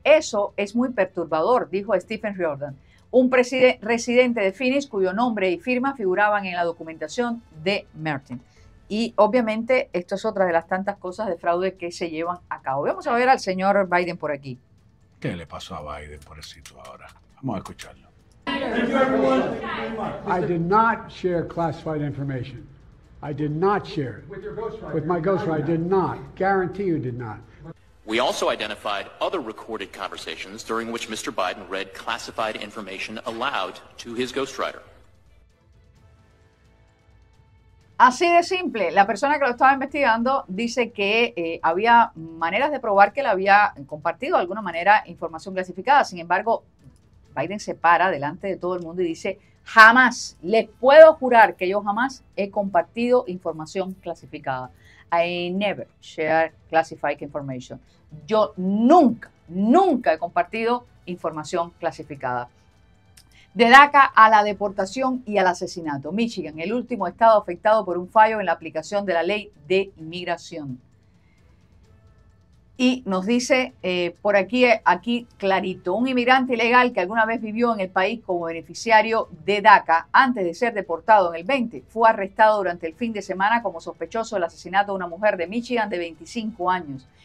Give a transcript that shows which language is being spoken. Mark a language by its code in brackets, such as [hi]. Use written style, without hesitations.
[es] Eso es muy perturbador, dijo Stephen Riordan, un residente de Phoenix cuyo nombre y firma figuraban en la documentación de Martin. Y obviamente esto es otra de las tantas cosas de fraude que se llevan a cabo. Vamos a ver al señor Biden por aquí. ¿Qué le pasó a Biden, pobrecito, ahora? Vamos a escucharlo. [en] I did not share classified information. I did not share it. With my ghostwriter, I did not. Guarantee you did not. We also identified other recorded conversations during which Mr. Biden read classified information aloud to his ghostwriter. [es] Así de simple, la persona que lo estaba investigando dice que había maneras de probar que le había compartido de alguna manera información clasificada. Sin embargo, Biden se para delante de todo el mundo y dice, jamás, les puedo jurar que yo jamás he compartido información clasificada. [en] I never share classified information. [es] Yo nunca, nunca he compartido información clasificada. De DACA a la deportación y al asesinato. Michigan, el último estado afectado por un fallo en la aplicación de la ley de inmigración. Y nos dice por aquí, aquí clarito, un inmigrante ilegal que alguna vez vivió en el país como beneficiario de DACA antes de ser deportado en el 20, fue arrestado durante el fin de semana como sospechoso del asesinato de una mujer de Michigan de 25 años.